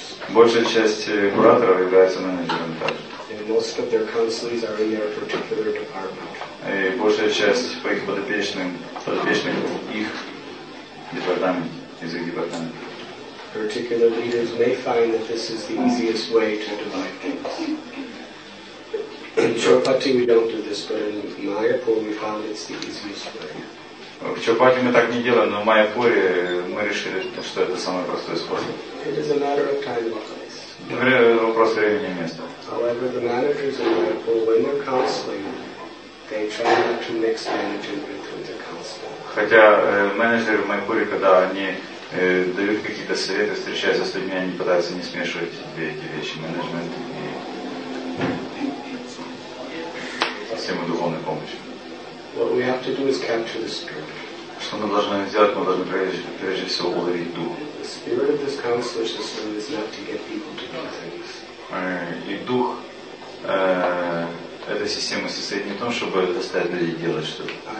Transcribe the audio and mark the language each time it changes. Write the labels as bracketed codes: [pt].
[ru] большая часть кураторов являются менеджерами также. [en] And most of their counselors are in their particular department. [ru] И большая часть по их подопечным их департамент, из их департамента. [en] Particular leaders may find that this is the easiest way to divide things. In Chaupati we don't do this, but in Mayapur we found it's the easiest way. [ru] В Чхапати мы так не делаем, но в Майяпуре мы решили, что это самый простой способ. [en] It is a matter of time and place. [ru] Вопрос времени и места. [en] However, the managers in Майяпур, when they're counseling, they try not to mix management with the counselor. [ru] Хотя менеджеры в Майяпуре, когда они дают какие-то советы, встречаются с людьми, они пытаются не смешивать две эти вещи, менеджмент и систему духовной помощи. [en] What we have to do is capture the spirit. [ru] Что мы должны сделать? Мы должны прежде всего уловить дух. [en] The spirit of this counselor system is not to get people to do things. [ru] И дух этой системы состоит не в том, чтобы заставить людей делать что-то.